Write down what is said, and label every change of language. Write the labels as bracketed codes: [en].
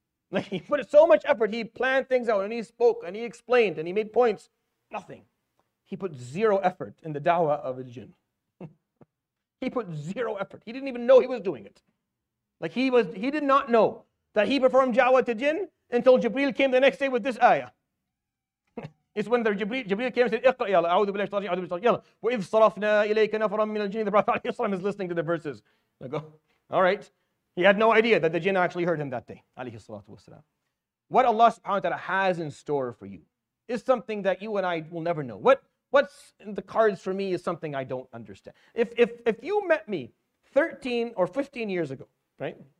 [en] Like he put in so much effort, he planned things out and he spoke and he explained and he made points. Nothing. He put zero effort in the da'wah of a jinn. He put zero effort. He didn't even know he was doing it. Like he did not know that he performed da'wah to jinn until Jibreel came the next day with this ayah. It's when Jibreel came and said, [ar] اقرأ يا الله أعوذ بالله الشيطان الرجيم يلا وإذ صرفنا إليك نفرا من الجن [en] The Prophet [ar] عليه الصلاة والسلام [en] is listening to the verses. I go, all right. He had no idea that the jinn actually heard him that day. [ar] عليه الصلاة والسلام. [en] What Allah subhanahu wa ta'ala has in store for you is something that you and I will never know. What's in the cards for me is something I don't understand. If you met me 13 or 15 years ago, right?